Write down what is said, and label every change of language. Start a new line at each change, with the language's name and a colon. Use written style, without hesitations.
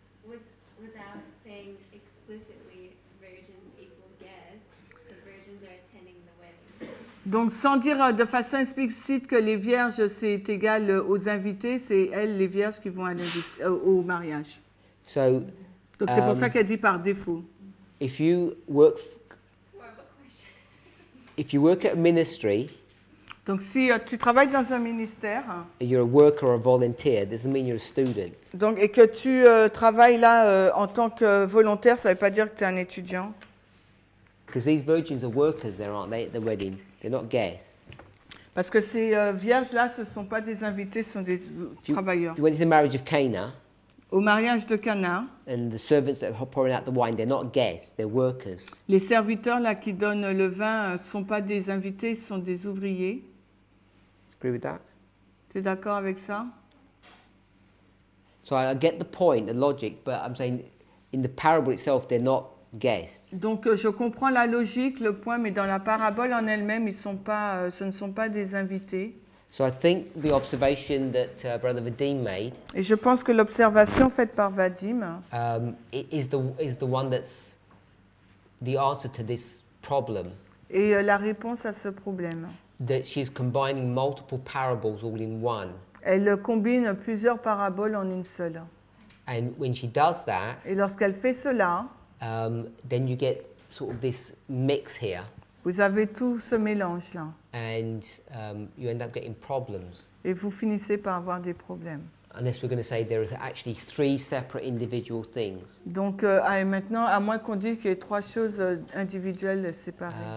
English: Without saying explicitly virgins equal guests, the virgins are attending the wedding.
French: Donc, sans dire de façon explicite que les vierges, c'est égal aux invités, c'est elles, les vierges, qui vont au mariage.
English: So,
French: donc, c'est pour ça qu'elle dit par défaut.
English: If you work... If you work at a ministry,
French: donc si tu travailles dans un ministère,
English: you're a worker or a volunteer. This doesn't mean you're a student.
French: Donc et que tu travailles là en tant que volontaire, ça ne veut pas dire que tu es un étudiant.
English: Because these virgins are workers, there aren't they at the wedding? They're not guests.
French: Parce que ces vierges là, ce sont pas des invités, ce sont des travailleurs.
English: You went to the marriage of Cana.
French: Au mariage de Cana.
English: And the servants that are pouring out the wine, they're not guests, they're workers.
French: Les serviteurs là qui donnent le vin sont pas des invités, sont des ouvriers.
English: Agree with that?
French: Tu es d'accord avec ça?
English: So I get the point, the logic, but I'm saying in the parable itself, they're not guests.
French: Donc je comprends la logique, le point, mais dans la parabole en elle-même, ce ne sont pas des invités.
English: So I think the observation that Brother Vadim made.
French: Et je pense que l'observation faite par Vadim.
English: Is the one that's the answer to this problem.
French: Et la réponse à ce problème.
English: That she's combining multiple parables all in one.
French: Elle combine plusieurs paraboles en une seule.
English: And when she does that.
French: Et lorsqu'elle fait cela.
English: Then you get sort of this mix here.
French: Vous avez tout ce mélange là.
English: And you end up getting problems.
French: Et vous finissez par avoir des problèmes.
English: Unless we're going to say there is actually three separate individual things.
French: Donc maintenant, à moins qu'on dise qu'il y ait trois choses individuelles séparées.